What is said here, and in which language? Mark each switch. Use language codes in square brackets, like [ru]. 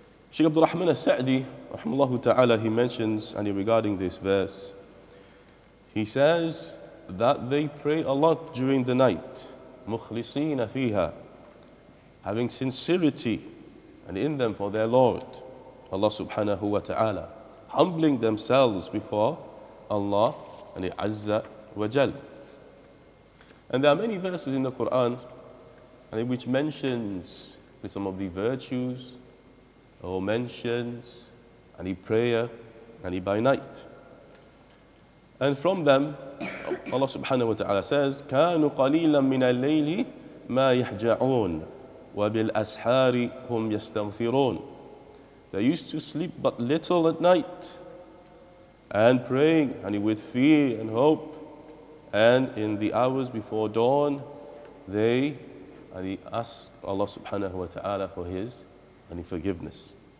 [en] Sheikh Abdul Rahman al-Sa'di, rahmallahu ta'ala, he mentions and regarding this verse, he says that they pray a lot during the night, [ar] مُخْلِصِينَ فِيهَا, [en] having sincerity and in them for their Lord, Allah subhanahu wa ta'ala, humbling themselves before Allah and the Azza wa Jal. And there are many verses in the Quran which mentions some of the virtues or mentions any prayer any by night. And from them, Allah subhanahu wa ta'ala says, [ar] كَانُوا قَلِيلًا مِنَ اللَّيْلِ مَا يَحْجَعُونَ وَبِالْأَسْحَارِ هُمْ يَسْتَغْفِرُونَ. [en] They used to sleep but little at night and praying and with fear and hope, and in the hours before dawn they ask Allah subhanahu wa ta'ala for his forgiveness.